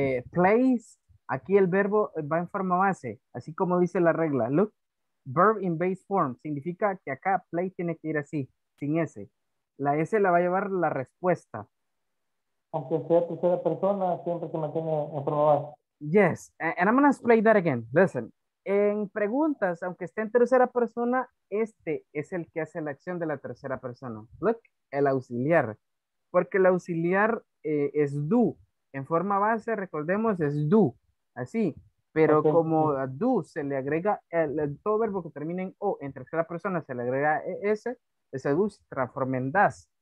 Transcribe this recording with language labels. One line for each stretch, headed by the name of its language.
Spanish: Place, aquí el verbo va en forma base, así como dice la regla.
English: Look, verb in base form,
Spanish: significa que acá play tiene que ir así, sin S. La S la va a llevar la respuesta. Aunque sea tercera persona, siempre se mantiene en forma base.
English: Yes, and I'm going to explain that again.
Spanish: Listen, en preguntas, aunque esté en tercera persona, este es el que hace la acción de la tercera persona. Look, el auxiliar. Porque el auxiliar es do. En forma base, recordemos, es do. Así. Pero okay. Como a do se le agrega todo verbo que termine en o, en tercera persona se le agrega s, ese do se transforma en das.